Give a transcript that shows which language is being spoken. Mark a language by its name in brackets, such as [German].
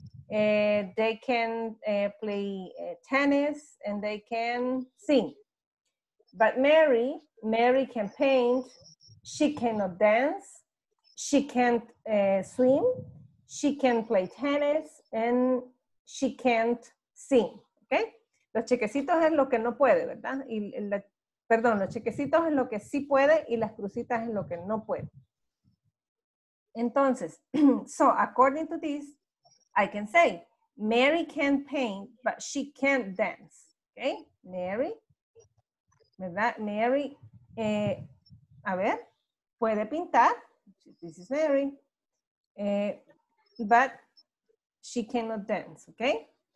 [English] They can play tennis and they can sing. But Mary can paint, she cannot dance, she can't swim, she can play tennis and she can't sing. Okay? [Spanish] Los chequecitos es lo que no puede, ¿verdad? Y perdón, los chequecitos es lo que sí puede y las crucitas es lo que no puede. Entonces, [English] so according to this, I can say, Mary can paint, but she can't dance. Okay, Mary, [Spanish] ¿verdad? [English] Mary, [Spanish] a ver, puede pintar, [English] this is Mary, but she cannot dance, okay?